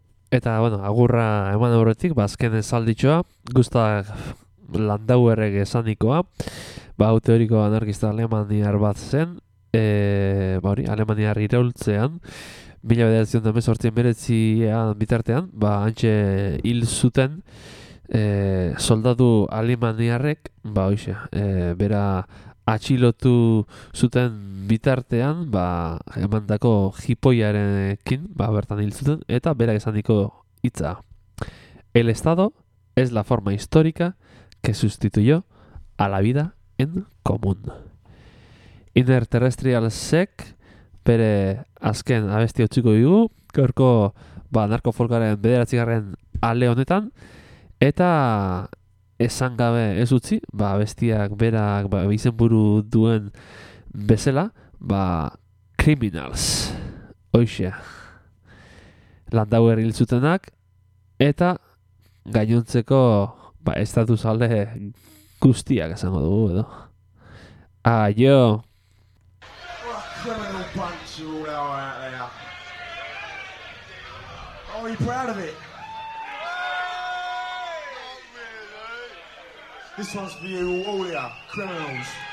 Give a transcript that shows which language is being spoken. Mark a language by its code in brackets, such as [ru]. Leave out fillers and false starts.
[eu] Eta, bueno, agurra eman aurretik, ba, azken esalditxoa, Gustav Landauerrek esanikoa, ba, hau teoriko anarkista alemaniar bat zen, ba, hori, alemaniar iraultzean, 1918an bitartean, ba, antxe hil zuten, soldadu alemaniarrek, ba hoxe, bera atxilotu zuten bitartean, ba, emandako jipoiarekin, ba, bertan hil zuten, eta berak esaniko hitza. [es] El Estado es la forma histórica que sustituyó a la vida en común. [eu] Inner Terrestrial Sek, bere azken abesti otziko dugu, gaurko ba, narkofolkaren bederatzigarren ale honetan, eta esan gabe ez utzi, ba, bestiak berak ba, izen buru duen bezala, ba, criminals, hoxea, landauer hiltzutenak, eta gainontzeko ba, estatus alde guztiak esango dugu, edo. Aio! [en] Criminal bunch are all out there. Oh, are you proud of it? This one's for you, all of you, criminals.